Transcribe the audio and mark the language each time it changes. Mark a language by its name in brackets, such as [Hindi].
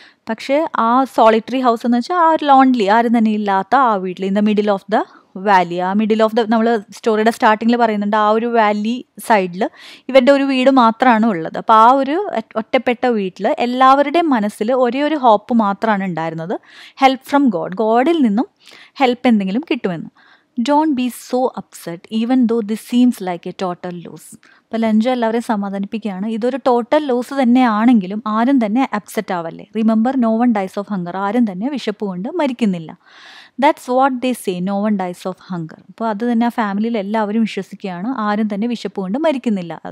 [Malayalam] പക്ഷേ ആ solitary house എന്ന് വെച്ചാൽ ആ ഒരു ലോൺലി, ആരും തന്നെ ഇല്ലാത്ത ആ വീട്ടിൽ, [English] In the middle of the valley. [Malayalam] ആ മിഡിൽ ഓഫ് ദ, നമ്മൾ സ്റ്റോറിയുടെ സ്റ്റാർട്ടിങ്ങിൽ പറയുന്നുണ്ട് ആ ഒരു വാലി സൈഡിൽ ഇവരുടെ ഒരു വീട് മാത്രമാണ് ഉള്ളത്. അപ്പോൾ ആ ഒരു ഒറ്റപ്പെട്ട വീട്ടിൽ എല്ലാവരുടെയും മനസ്സിൽ ഒരേ ഒരു ഹോപ്പ് മാത്രമാണ് ഉണ്ടായിരുന്നത്, [English] help from God, [Malayalam] ഗോഡിൽ നിന്നും ഹെൽപ്പ് എന്തെങ്കിലും കിട്ടുമെന്ന്. [English] Don't be so upset even though this seems like a total loss. [Malayalam] അപ്പോൾ ലഞ്ചോ എല്ലാവരെയും സമാധാനിപ്പിക്കുകയാണ്, ഇതൊരു ടോട്ടൽ ലോസ് തന്നെയാണെങ്കിലും ആരും തന്നെ upset ആവല്ലേ. [English] Remember no one dies of hunger. [Malayalam] ആരും തന്നെ വിശപ്പ് കൊണ്ട് മരിക്കുന്നില്ല. [English] That's what they say, no one dies of hunger. [Malayalam] അപ്പോൾ അത് തന്നെ ആ ഫാമിലിയിൽ എല്ലാവരും വിശ്വസിക്കുകയാണ്, ആരും തന്നെ വിശപ്പ് കൊണ്ട് മരിക്കുന്നില്ല.